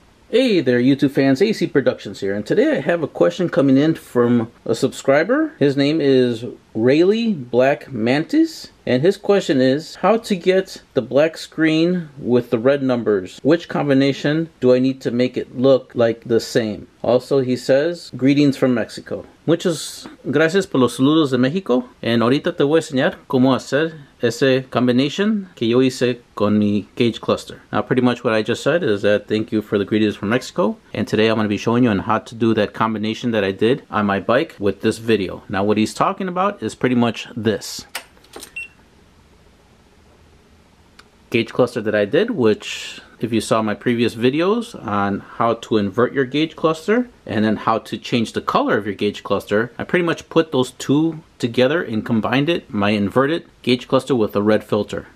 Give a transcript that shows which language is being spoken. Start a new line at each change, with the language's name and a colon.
English: Hey there, YouTube fans, AC Productions here, and today I have a question coming in from a subscriber. His name is Rayleigh Black Mantis, and his question is, how to get the black screen with the red numbers? Which combination do I need to make it look like the same? Also, he says, greetings from Mexico.
Spanish: Muchas gracias por los saludos de México, and ahorita te voy a enseñar cómo hacer ese combination que yo hice con mi gauge cluster.
English: Now, pretty much what I just said is that thank you for the greetings from Mexico, and today I'm going to be showing you on how to do that combination that I did on my bike with this video. Now, what he's talking about is pretty much this gauge cluster that I did, which if you saw my previous videos on how to invert your gauge cluster and then how to change the color of your gauge cluster, I pretty much put those two together and combined it, my inverted gauge cluster with a red filter.